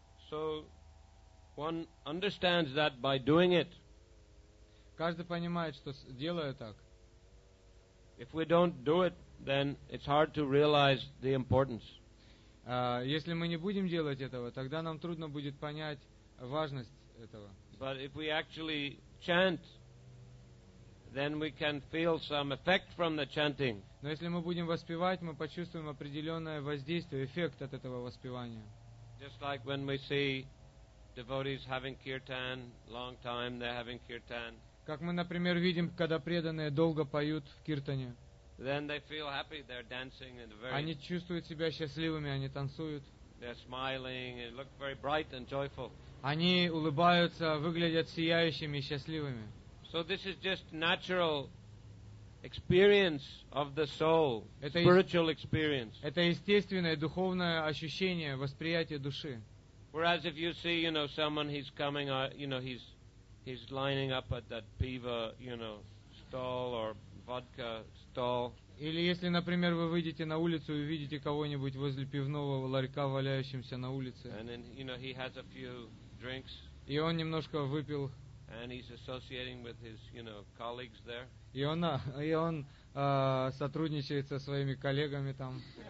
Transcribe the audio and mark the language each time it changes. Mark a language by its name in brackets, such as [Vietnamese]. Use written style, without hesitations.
[English] So one understands that by doing it. [Russian] Каждый понимает, что делая так. [English] If we don't do it, then it's hard to realize the importance. [Russian] Если мы не будем делать этого, тогда нам трудно будет понять важность этого. [English] But if we actually chant, then we can feel some effect from the chanting. [Russian] Но если мы будем воспевать, мы почувствуем определенное воздействие, эффект от этого воспевания. [English] Just like when we see devotees having kirtan, long time they're having kirtan. [Russian] Как мы, например, видим, когда преданные долго поют в киртане. [English] Then they feel happy, they're dancing in the very. [Russian] Они чувствуют себя счастливыми, они танцуют. [English] They're smiling and look very bright and joyful. [Russian] Они улыбаются, выглядят сияющими и счастливыми. [English] So this is just natural experience of the soul, spiritual experience. [Russian] Это естественное духовное ощущение, восприятие души. [English] Whereas if you see, you know, someone, he's coming, you know, he's lining up at that piva, you know, stall or vodka stall. [Russian] Или если, например, вы выйдете на улицу и увидите кого-нибудь возле пивного ларька валяющимся на улице. [English] And then, you know, he has a few drinks. [Russian] И он немножко выпил. [English] And he's associating with his, you know, colleagues there. [Russian] И он сотрудничает со своими коллегами там.